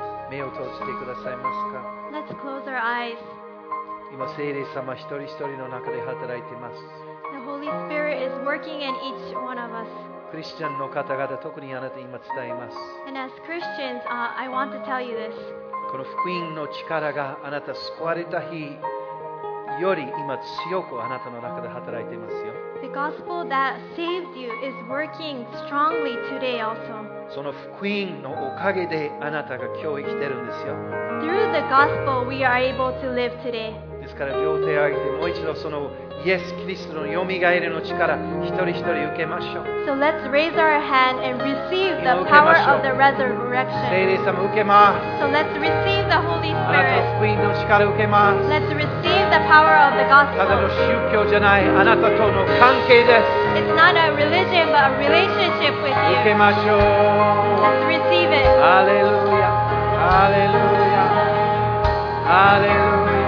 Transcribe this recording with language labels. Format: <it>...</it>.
<ja>目を閉じてくださいますか。</ja> <en>Let's close our eyes.</en> <ja>今聖霊様一人一人の中で働いています。</ja> <en>The Holy Spirit is working in each one of us.</en> <ja>クリスチャンの方々、特にあなたに今伝えます。</ja> <en>And as Christians, I want to tell you this.</en> <ja>この福音の力があなた救われた日より今強くあなたの中で働いていますよ。</ja> <en>The gospel that saved you is working strongly today also.</en> <ja>その福音のおかげであなたが今日生きているんですよ。</ja> <en>Through the gospel we are able to live today.</en> <ja>ですから両手を上げてもう一度そのイエス・キリストのよみがえりの力一人一人受けましょう。</ja> <en>So let's raise our hand and receive the power of the resurrection.</en> <ja>聖霊様受けます。</ja> <en>So let's receive the Holy Spirit.</en> <ja>あなたの福音の力受けます。</ja> <en>Let's receive the power of the gospel.</en> <ja>ただの宗教じゃない、あなたとの関係です。</ja> <en>It's not a religion but a relationship with you.</en> <ja>受けましょう。</ja> <en>Let's receive it.</en> <ja>ハレルヤ、ハレルヤ、ハレルヤ。</ja>